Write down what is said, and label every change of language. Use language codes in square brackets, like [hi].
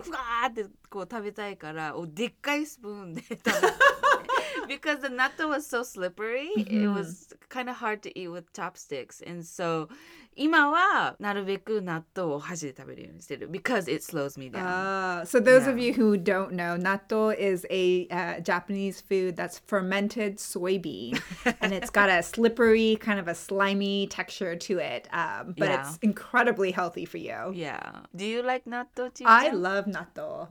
[ja] ふわーってこう食べたいから、でっかいスプーンで食べた。 [en] Because the natto was so slippery, it was kind of hard to eat with chopsticks. [ja] And so, 今はなるべく納豆を箸で食べるようにしてる。 [en] Because it slows me down. So those of you who don't know, natto is a Japanese food that's fermented soybean. And it's got a slippery, kind of a slimy texture to it. But yeah. it's incredibly healthy for you. Yeah. Do you like natto, Chiyo? I love natto.